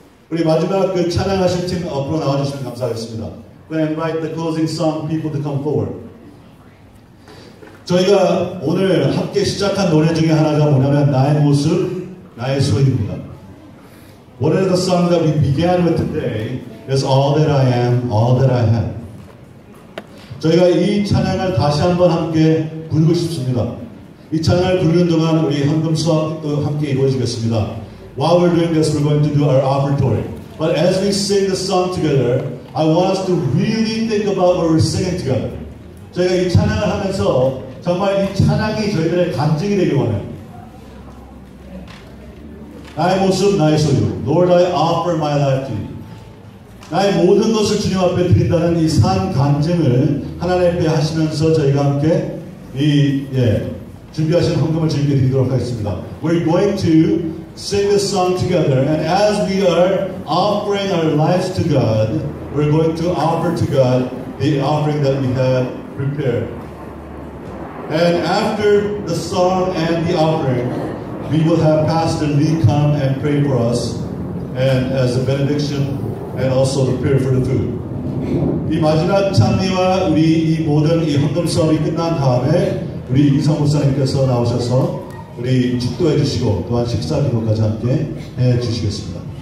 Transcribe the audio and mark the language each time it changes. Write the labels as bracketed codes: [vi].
[ko] 우리 마지막 그 찬양하실 팀 앞으로 나와주시면 감사하겠습니다. [en] When I invite the closing song people to come forward. [ko] 저희가 오늘 함께 시작한 노래 중에 하나가 뭐냐면 나의 모습, 나의 소유입니다. [en] One of the songs that we began with today is All That I Am, All That I Have. [ko] 저희가 이 찬양을 다시 한번 함께 부르고 싶습니다. 이 찬양을 부르는 동안 우리 헌금 수확도 함께 이루어지겠습니다. [en] While we're doing this, we're going to do our offertory. But as we sing the song together, I want us to really think about what we're singing together. [ko] 저희가 이 찬양을 하면서 정말 이 찬양이 저희들의 간증이 되길 원해요. 나의 모습, 나의 소유. [en] Lord, I offer my life to you. [ko] 나의 모든 것을 주님 앞에 드린다는 이 산 간증을 하나님 앞에 하시면서 저희가 함께 이 예, 준비하신 헌금을 주님께 드리도록 하겠습니다. [en] We're going to sing this song together. And as we are offering our lives to God, we're going to offer to God the offering that we have prepared. And after the song and the offering, we will have Pastor Lee come and pray for us and as a benediction and also to prepare for the food. [ko] 이 마지막 찬미와 우리 이 모든 이 헌금 수업이 끝난 다음에 우리 이성 목사님께서 나오셔서 우리 축도해 주시고 또한 식사 기도까지 함께 해 주시겠습니다.